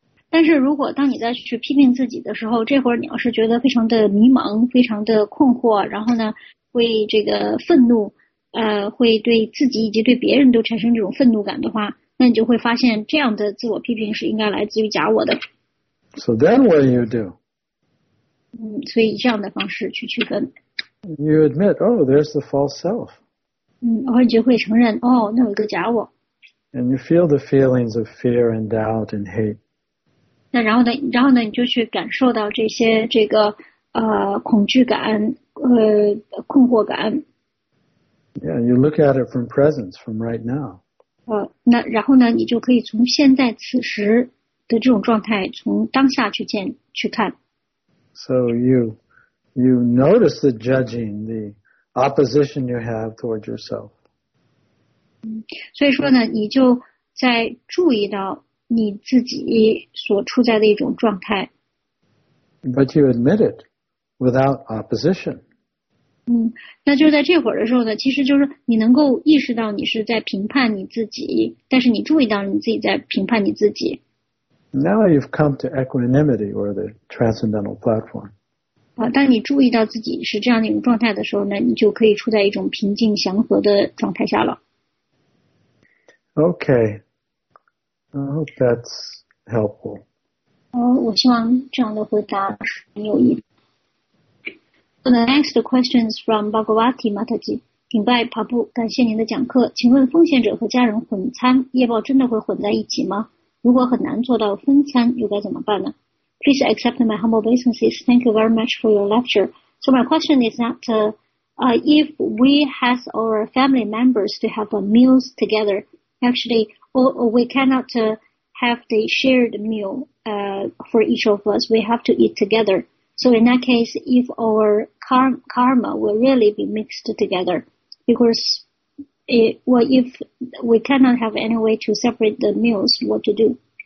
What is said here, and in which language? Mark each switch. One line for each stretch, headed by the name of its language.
Chinese: 但是如果当你再去批评自己的时候，这会儿你要是觉得非常的迷茫，非常的困惑，然后呢会这个愤怒，会对自己以及对别人都产生这种愤怒感的话，那你就会发现这样的自我批评是应该来自于假我的。
English: So then what do you do?
Chinese: 所以这样的方式去区分。
English: You admit, oh, there's the false self.
Chinese: 然后你就会承认，哦，那有个假我。
English: And you feel the feelings of fear and doubt and hate.
Chinese: 那然后呢，你就去感受到这些这个恐惧感，困惑感。
English: Yeah, you look at it from presence, from right now.
Chinese: 那然后呢，你就可以从现在此时的这种状态，从当下去看。
English: So you notice the judging, the opposition you have towards yourself.
Chinese: 所以说呢，你就在注意到你自己所处在的一种状态。
English: But you admit it without opposition.
Chinese: 那就在这会儿的时候呢，其实就是你能够意识到你是在评判你自己，但是你注意到你自己在评判你自己。
English: Now you've come to equanimity or the transcendental platform.
Chinese: 当你注意到自己是这样的一种状态的时候呢，你就可以处在一种平静祥和的状态下了。
English: Okay, I hope that's helpful.
Chinese: 我希望这样的回答是很有意义。
English: So the next question is from Bhagavati Mataji.
Chinese: 顶拜帕布，感谢您的讲课。请问奉献者和家人混餐，业报真的会混在一起吗？如果很难做到分餐，又该怎么办呢？
English: Please accept my humble obeisances. Thank you very much for your lecture. So my question is that, if we have our family members to have meals together,Actually, we cannot have the shared meal for each of us. We have to eat together. So in that case, if our karma will really be mixed together, because if we cannot have any way to separate the meals, what to do?